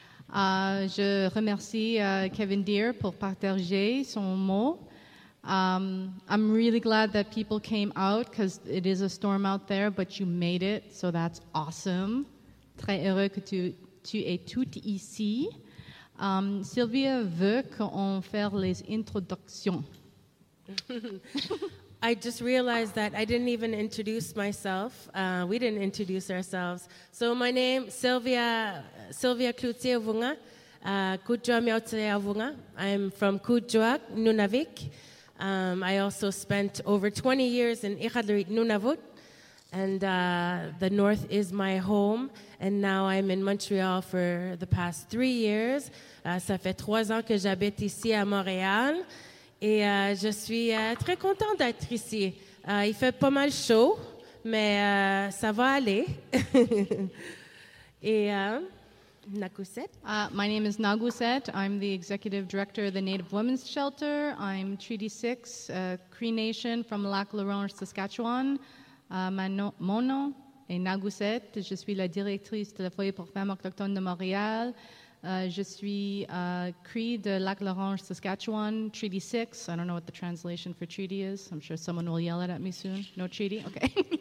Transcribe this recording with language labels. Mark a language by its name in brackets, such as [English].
[French] Je remercie Kevin Deere pour partager son mot. [English] I'm really glad that people came out, because it is a storm out there, but you made it, so that's awesome. [French] Très heureux que tu es toute ici. Sylvia veut qu'on fasse les introductions. [English] I just realized that I didn't even introduce myself. We didn't introduce ourselves. So my name, Sylvia Cloutier-Vunga. I'm from Kujuak, Nunavik. I also spent over 20 years in Iqaluit, Nunavut. And the north is my home. And now I'm in Montreal for the past 3 years. [French] Ça fait 3 ans que j'habite ici à Montréal. Et je suis très contente d'être ici. Il fait pas mal chaud, mais ça va aller. Et Nagouset? [English] My name is Nagouset. I'm the executive director of the Native Women's Shelter. I'm Treaty 6, Cree Nation from Lac La Ronge, Saskatchewan. [French] Mon nom est Nagouset. Je suis la directrice de la foyer pour femmes autochtones de Montréal. Je suis Cree de Lac La Ronge, Saskatchewan, Treaty 6. [English] I don't know what the translation for treaty is. I'm sure someone will yell it at me soon. No treaty? Okay.